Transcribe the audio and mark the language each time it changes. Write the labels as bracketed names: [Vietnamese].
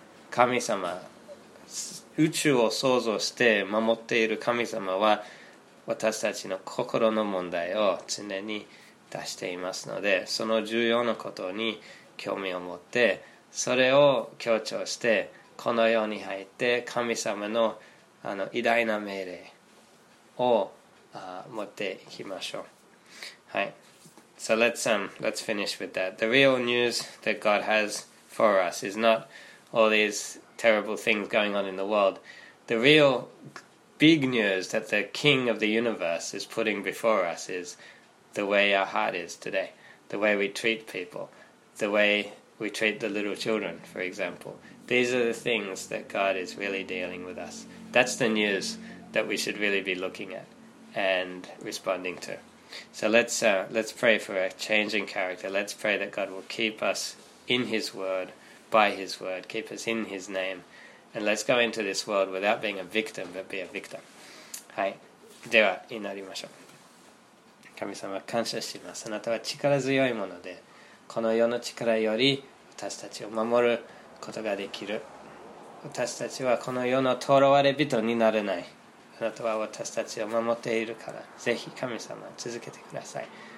[Japanese] 神様、宇宙を創造して守っている神様は私たちの心の問題を常に出していますので、その重要なことに興味を持って、それを強調してこの世に入って神様 の偉大な命令を持っていきましょう。はい。 [English] So let's finish with that. The real news that God has for us is not all these terrible things going on in the world. The real big news that the King of the universe is putting before us is the way our heart is today, the way we treat people, the way we treat the little children, for example. These are the things that God is really dealing with us. That's the news that we should really be looking at and responding to. So let's pray for a change in character. Let's pray that God will keep us in His Word, by His Word, keep us in His name. And let's go into this world without being a victim, but be a victor. [Japanese] はい。では、祈りましょう。神様、感謝します。あなたは力強いもので、この世の力より私たちを守ることができる。私たちはこの世の囚われ人になれない。あなたは私たちを守っているから、ぜひ神様、続けてください。